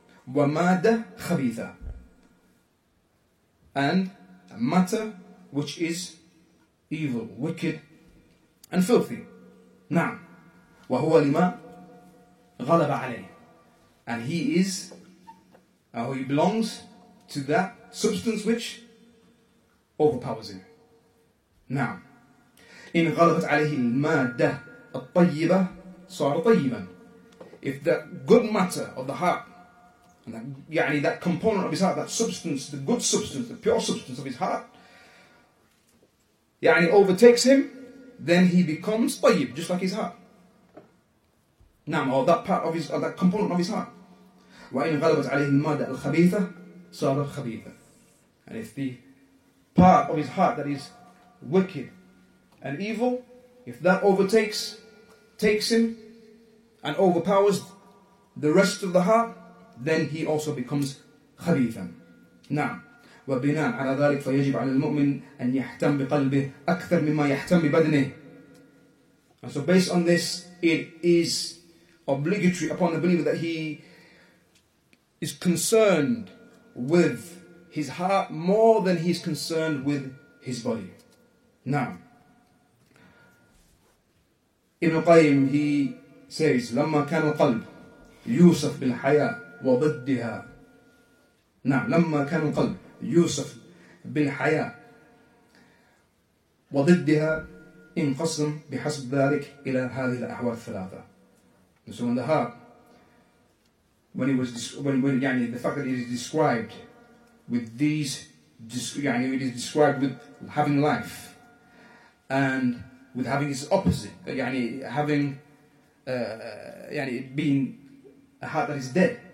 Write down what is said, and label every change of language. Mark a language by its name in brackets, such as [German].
[Arabic] ومادة خبيثة, [English] and a matter which is evil, wicked, and filthy. [Arabic] نعم. وهو لما غلب عليه. [English] And he is, he belongs to that substance which overpowers him. [Arabic] نعم. إن غلبت عليه المادة الطيبة صار طيبا. [English] If that good matter of the heart, and that component of his heart, that substance, the good substance, the pure substance of his heart, [Arabic] يعني [English] overtakes him, then he becomes [Arabic] طيب, [English] just like his heart. [Arabic] نعم, [English] or that part of his, or that component of his heart. [Arabic] وإن غلبت عليه المادة الخبيثة صار خبيثة. [English] And if the part of his heart that is wicked and evil, if that overtakes, takes him and overpowers the rest of the heart, then he also becomes [Arabic] خبيثاً. نعم. وبناء على ذلك فيجب على المؤمن أن يهتم بقلبه أكثر مما يهتم ببدنه. [English] And so based on this, it is obligatory upon the believer that he is concerned with his heart more than he is concerned with his body. Now, Ibn Qayyim, he says, [Arabic] لَمَّا كَانَ الْقَلْبِ يُوسَفْ بِالْحَيَاءِ وَضَدِّهَا. [English] Now, [Arabic] لَمَّا كَانَ الْقَلْبِ يُوسَفْ بِالْحَيَاءِ وَضَدِّهَا انقسم بحسب ذلك إلى هذه الأحوال الثلاثة. [English] So when the heart, when the fact that it is described with these, it is described with having life and with having its opposite, being a heart that is dead.